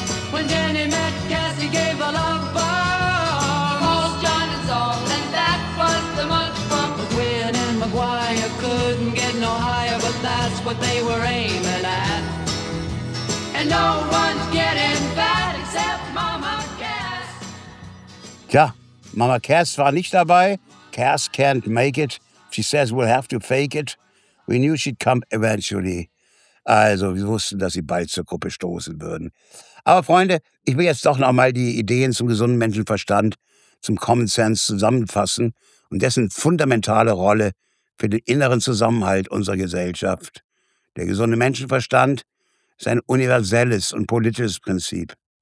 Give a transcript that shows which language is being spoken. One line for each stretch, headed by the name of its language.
English: When Danny met Cass, he gave a love bomb. Called John and Saul, and that was the month from McGuinn and McGuire couldn't get no higher, but that's what they were aiming at. And no one's getting fat except Mama Cass.
German: Tja, Mama Cass war nicht dabei.
English: Cass can't make it. She says we'll have to fake it. We knew she'd come eventually.
German: Also, wir wussten, dass sie bald zur Gruppe stoßen würden. Aber Freunde, ich will jetzt doch noch mal die Ideen zum gesunden Menschenverstand, zum Common Sense zusammenfassen und dessen fundamentale Rolle für den inneren Zusammenhalt unserer Gesellschaft. Der gesunde Menschenverstand ist ein universelles und politisches Prinzip.